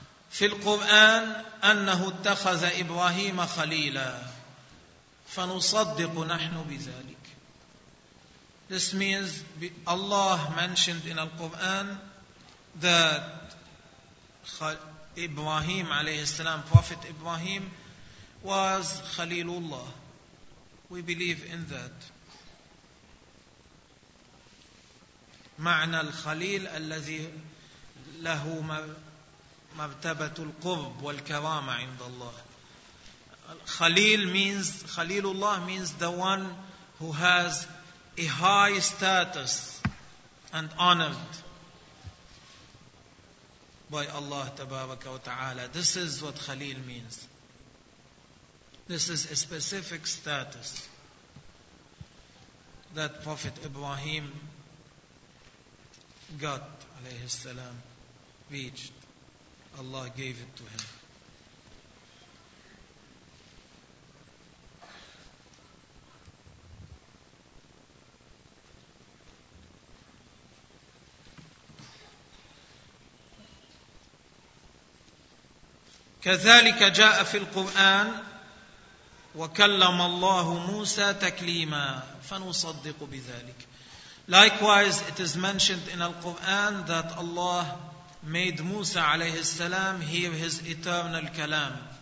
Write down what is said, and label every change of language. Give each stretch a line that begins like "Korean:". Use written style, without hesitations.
Arabic: في القرآن أنه اتخذ إبراهيم خليلا، فنصدق نحن بذلك.
English: This means Allah mentioned in Al-Quran that Ibrahim عليه السلام, Prophet Ibrahim, was Khalilullah. We believe in that.
Arabic: معنى الخليل الذي له مرتبة القرب والكرامة عند الله.
English: خليل means, خليلullah means the one who has a high status and honored by Allah تبارك وتعالى. This is what خليل means. This is a specific status that Prophet Ibrahim got, عليه السلام, reached. Allah gave it to him.
Arabic: كذلك جاء في القرآن وكلم الله موسى تكليما فنصدق بذلك.
English: Likewise, it is mentioned in Al-Quran that Allah made Musa alayhi salam hear his eternal kalam.